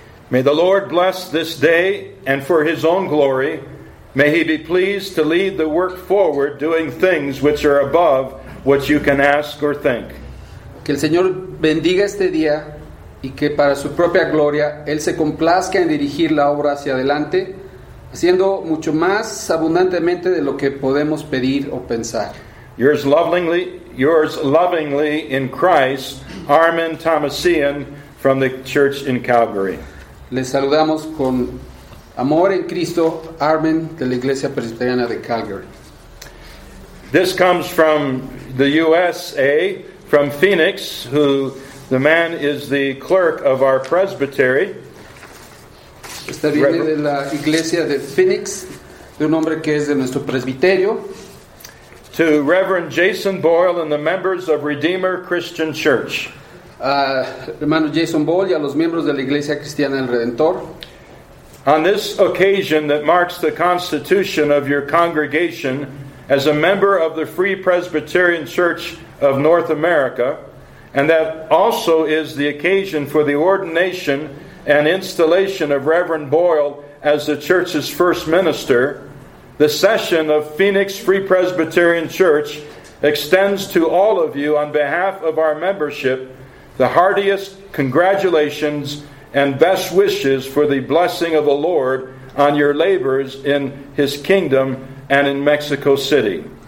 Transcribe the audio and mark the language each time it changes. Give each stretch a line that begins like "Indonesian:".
English: May the Lord bless this day, and for His own glory, may He be pleased to lead the work forward, doing things which are above what you can ask or think.
Spanish: Que el Señor bendiga este día y que para su propia gloria Él se complazca en dirigir la obra hacia adelante, haciendo mucho más abundantemente de lo que podemos pedir o pensar.
English: Yours lovingly in Christ, Armin Thomasian from the church in Calgary.
Spanish: Les saludamos con amor en Cristo, Armin de la Iglesia Presbiteriana de Calgary.
English: This comes from the USA, from Phoenix, who the man is the clerk of our presbytery.
Spanish: Esta viene de la iglesia de Phoenix, de un hombre que es de nuestro presbiterio.
English: To Reverend Jason Boyle and the members of Redeemer Christian Church.
Spanish: Hermano Jason Boyle y a los miembros de la Iglesia Cristiana del Redentor.
English: On this occasion that marks the constitution of your congregation as a member of the Free Presbyterian Church of North America, and that also is the occasion for the ordination and installation of Reverend Boyle as the church's first minister, the session of Phoenix Free Presbyterian Church extends to all of you on behalf of our membership the heartiest congratulations and best wishes for the blessing of the Lord on your labors in His kingdom and in Mexico City.